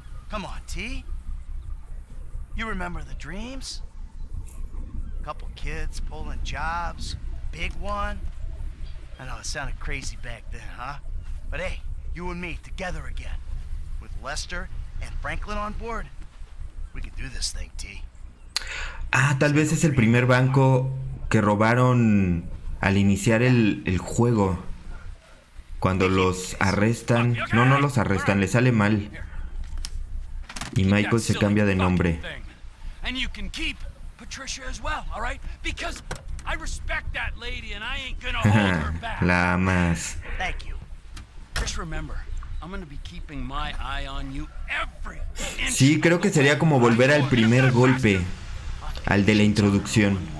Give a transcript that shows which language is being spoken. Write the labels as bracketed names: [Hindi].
[English] Come on, T. You remember the dreams? A couple kids pulling jobs, big one. I know it sounded crazy back then, huh? But hey, you and me together again, with Lester and Franklin on board, we can do this thing, T. [Spanish] Ah, tal vez es el primer banco que robaron al iniciar el juego. Cuando los arrestan, no los arrestan, le sale mal. Y Michael se cambia de nombre. [English] And you can keep Patricia as well, all right? Because I respect that lady and I ain't gonna hold her back. [Spanish] La amas. [English] Thank you. Just remember, I'm gonna be keeping my eye on you every inch. [Spanish] Sí, creo que sería como volver al primer golpe, al de la introducción.